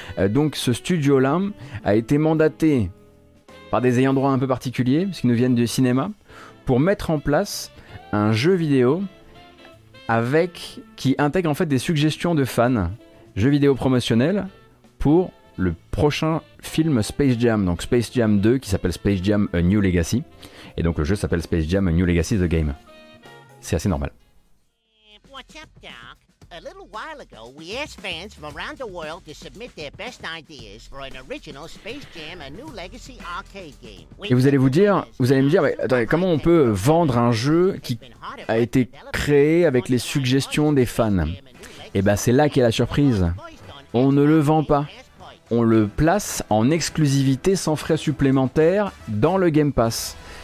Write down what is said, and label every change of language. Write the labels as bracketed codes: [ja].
[fr] Donc ce studio-là a été mandaté par des ayants droit un peu particuliers, parce qu'ils nous viennent du cinéma, pour mettre en place un jeu vidéo qui intègre en fait des suggestions de fans, jeux vidéo promotionnels pour le prochain film Space Jam, donc Space Jam 2, qui s'appelle Space Jam A New Legacy. Et donc le jeu s'appelle Space Jam A New Legacy The Game. C'est assez normal. [en] What's up, Doc? A little while ago, we asked fans from around the world to submit their best ideas for an original Space Jam A New Legacy arcade game. [fr] Et vous allez vous dire, vous allez me dire, mais attendez, comment on peut vendre un jeu qui a été créé avec les suggestions des fans? Et ben c'est là qu'est la surprise. On ne le vend pas. On le place en exclusivité sans frais supplémentaires dans le Game Pass.